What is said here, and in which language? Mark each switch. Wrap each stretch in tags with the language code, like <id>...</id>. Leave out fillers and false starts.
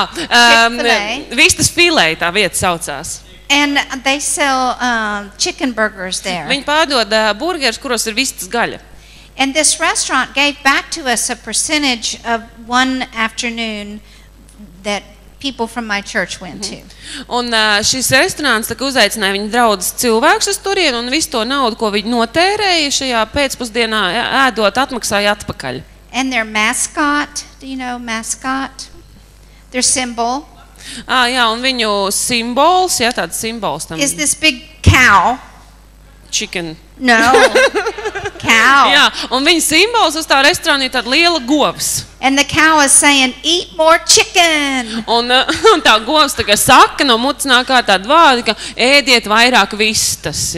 <lv>Vistas filē tā vieta saucās.</lv> <en>And they sell chicken burgers there.</en> <lv>Viņi pārdod burgers, kuros ir vistas gaļa.</lv> <en>And this restaurant gave back to us a percentage of one afternoon that people from my church went to.</en> <lv>Un šis restorāns tā kā uzaicināja viņu draudzes cilvēkus uz turieni un visu to naudu, ko viņi notērēja šajā pēcpusdienā ēdot atmaksāja atpakaļ.</lv> <en>And their mascot, do you know mascot? Their symbol.</en> <lv>Jā, un viņu simbols, jā, tāds simbols tam.</lv> <en>Is this big cow? Chicken. No. Cow.</en> <lv>Jā, un viņa simbols uz tā restorāna ir tāda liela govs.</lv> <en>And the cow is saying, eat more chicken.</en> <lv>Un tā govs tā kā saka no mutes nākā tāda vārda, ka ēdiet vairāk vistas.</lv>